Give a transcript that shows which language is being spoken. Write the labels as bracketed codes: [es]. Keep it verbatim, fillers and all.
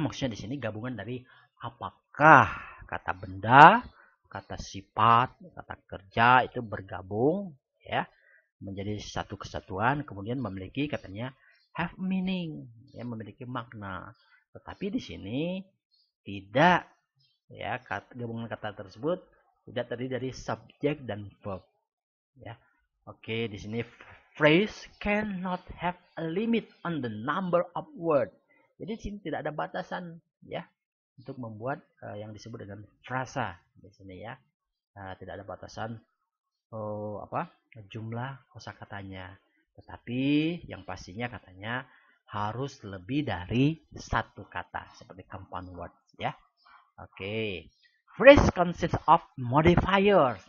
[id] Maksudnya di sini gabungan dari apakah, kata benda, kata sifat, kata kerja itu bergabung ya menjadi satu kesatuan, kemudian memiliki katanya [en] have meaning [id] ya, memiliki makna. Tetapi di sini tidak ya, kata, gabungan kata tersebut tidak terdiri dari subjek dan verb ya. [en] Oke, di sini phrase cannot have a limit on the number of words. [id] Jadi di sini tidak ada batasan ya untuk membuat uh, yang disebut dengan frasa di sini ya. Uh, tidak ada batasan oh, apa jumlah kosakatanya. Tetapi yang pastinya katanya harus lebih dari satu kata seperti compound word ya. Oke. [en] Phrase consists of modifiers.